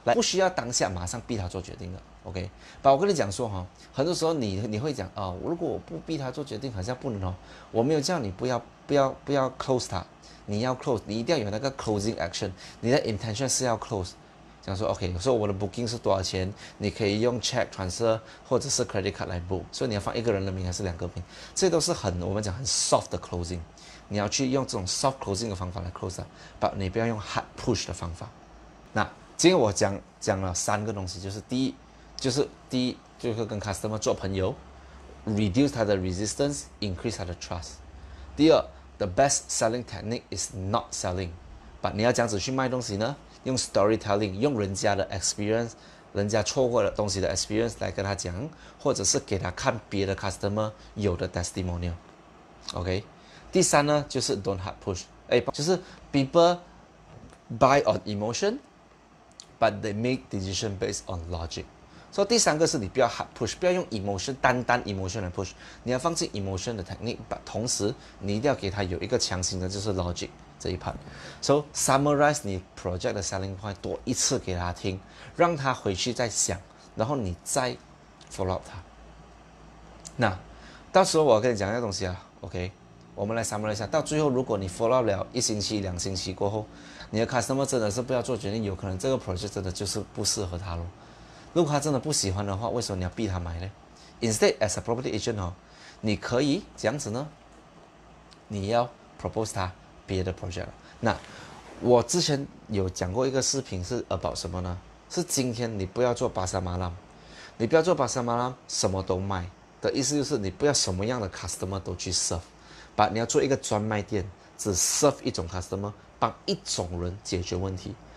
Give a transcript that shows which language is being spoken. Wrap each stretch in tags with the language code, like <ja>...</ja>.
<zh>来，不需要当下马上逼他做决定的， OK， 把我跟你讲说，很多时候 你会讲，哦，如果我不逼他做决定好像不能，哦，我没有叫你不要 close 他，你要 close， 你一定要有那个 closing action， 你的 intention 是要 close， 讲说 OK， 说我的 booking 是多少钱，你可以用 check transfer 或者是 credit card 来 book， 所以你要放一个人的名还是两个名，这都是很我们讲很 soft 的 closing， 你要去用这种 soft closing 的方法来 close， but 你不要用 hard push 的方法。那今天我讲了三个东西，就是第一就是跟 customer 做朋友， reduce 他的 resistance， increase 他的 trust。第二，</zh> <en>The best selling technique is not selling，</en> <zh>but 你要这样子去卖东西呢？用 storytelling， 用人家的 experience， 人家错过的东西的 experience 来跟他讲，或者是给他看别的 customer 有的 testimonial。 OK， 第三呢就是 don't hard push， 就是</zh> <en>people buy on emotion，</en> <zh>but</zh> <en>they make decision based on logic。</en> <zh>所以第三个是你不要 hard push， 不要用 emotion， 单 emotion 来 push， 你要放进 emotion 的 technique， but 同时你一定要给他有一个强行的就是 logic 这一 part。 So summarize 你 project 的 selling point 多一次给他听，让他回去再想，然后你再 follow up 他。那到时候我跟你讲一个东西啊， OK， 我们来 summarize 一下，到最后如果你 follow up 了一星期两星期过后，你的 customer 真的是不要做决定，有可能这个 project 真的就是不适合他咯。如果他真的不喜欢的话，为什么你要逼他买呢？</zh> <en>Instead, as a property agent，</en> <zh>你可以这样子呢，你要 propose 他别的 project。那我之前有讲过一个视频是 about 什么呢？是今天你不要做巴沙马拉，你不要做巴沙马拉什么都卖的意思，就是你不要什么样的 customer 都去 serve， but 你要做一个专卖店，只 serve 一种 customer， 帮一种人解决问题。</zh>